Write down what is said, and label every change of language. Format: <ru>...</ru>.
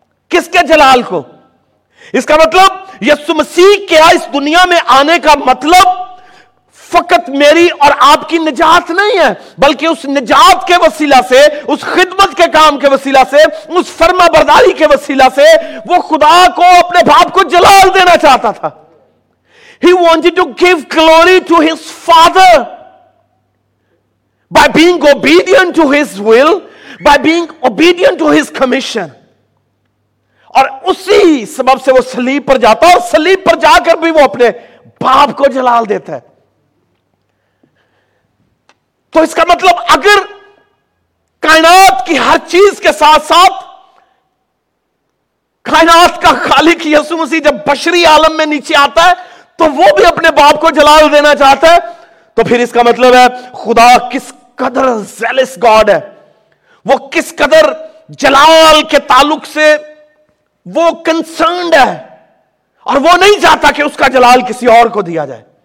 <ur>کس کے جلال کو؟ اس کا مطلب یسوع مسیح کیا اس دنیا میں آنے کا مطلب فقط میری اور آپ کی نجات نہیں ہے، بلکہ اس نجات کے وسیلہ سے، اس خدمت کے کام کے وسیلہ سے، اس فرما برداری کے وسیلہ سے وہ خدا کو، اپنے باپ کو جلال دینا چاہتا تھا.</ur> <en>He wanted to give glory to his father by being obedient to his will, by being obedient to his commission.</en> <ur>اور اسی سبب سے وہ صلیب پر جاتا ہے، اور صلیب پر جا کر بھی وہ اپنے باپ کو جلال دیتا ہے. تو اس کا مطلب اگر کائنات کی ہر چیز کے ساتھ ساتھ کائنات کا خالق یسوع مسیح جب بشری عالم میں نیچے آتا ہے تو وہ بھی اپنے باپ کو جلال دینا چاہتا ہے، تو پھر اس کا مطلب ہے خدا کس قدر</ur> <en>jealous God</en> <ur>ہے، وہ کس قدر جلال کے تعلق سے وہ کنسرنڈ ہے، اور وہ نہیں چاہتا کہ اس کا جلال کسی اور کو دیا جائے.</ur>